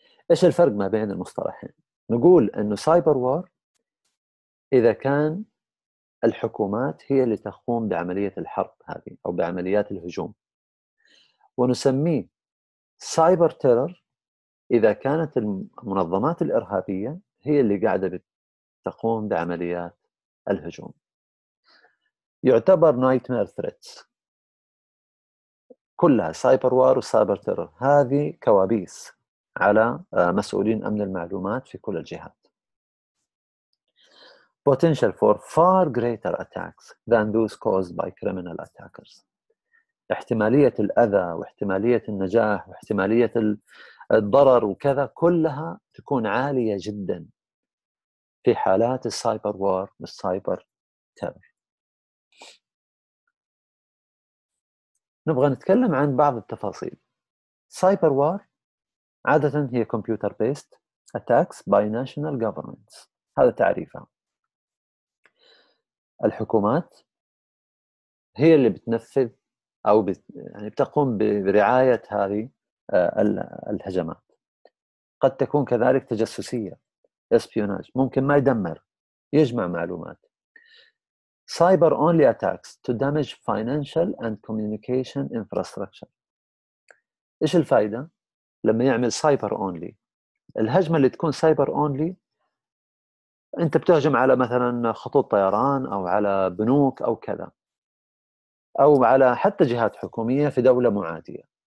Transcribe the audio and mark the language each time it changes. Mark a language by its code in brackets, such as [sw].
[ar] إيش الفرق ما بين المصطلحين؟ نقول أنه cyber war إذا كان الحكومات هي اللي تقوم بعملية الحرب هذه أو بعمليات الهجوم، ونسميه cyber terror إذا كانت المنظمات الإرهابية هي اللي قاعدة تقوم بعمليات الهجوم. يعتبر nightmare threats كلها cyber war وcyber terror، هذه كوابيس على مسؤولين أمن المعلومات في كل الجهات. [en] Potential for far greater attacks than those caused by criminal attackers. [ar] احتمالية الأذى واحتمالية النجاح واحتمالية الضرر وكذا كلها تكون عالية جدا في حالات السايبر وار والسايبر تيرور. نبغى نتكلم عن بعض التفاصيل. سايبر وار عادة هي [en] computer based attacks by national governments، [ar] هذا تعريفها. الحكومات هي اللي بتنفذ أو يعني بتقوم برعاية هذه الهجمات، قد تكون كذلك تجسسية espionage، ممكن ما يدمر يجمع معلومات. [en] cyber only attacks to damage financial and communication infrastructure. [ar] إيش الفائدة لما يعمل cyber only؟ الهجمة اللي تكون cyber only أنت بتهجم على مثلاً خطوط طيران أو على بنوك أو كذا، أو على حتى جهات حكومية في دولة معادية.